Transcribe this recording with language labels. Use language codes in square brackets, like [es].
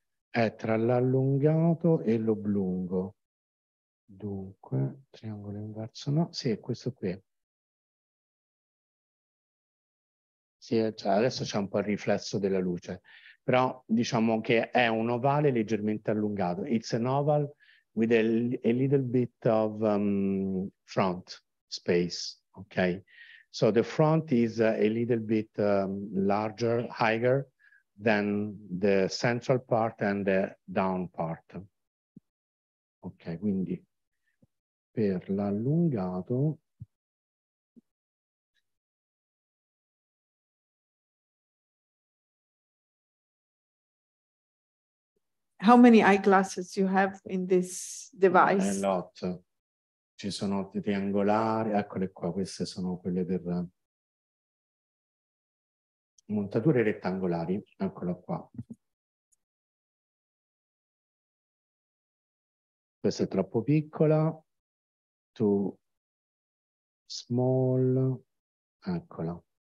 [it] È tra l'allungato e l'oblungo. Dunque, triangolo inverso, no? Sì, è questo qui. Sì, adesso c'è un po' il riflesso della luce, però diciamo che è un ovale leggermente allungato. [en] It's an oval with a little bit of front space, okay? So the front is a little bit larger, higher than the central part and the down part. [it] Ok, quindi per l'allungato [en] how many eyeglasses you have in this device? A lot. [it] Ci sono triangolari, eccole qua, queste sono quelle per montature rettangolari, eccolo qua. Questa è troppo piccola, [en] too small, [it] eccola.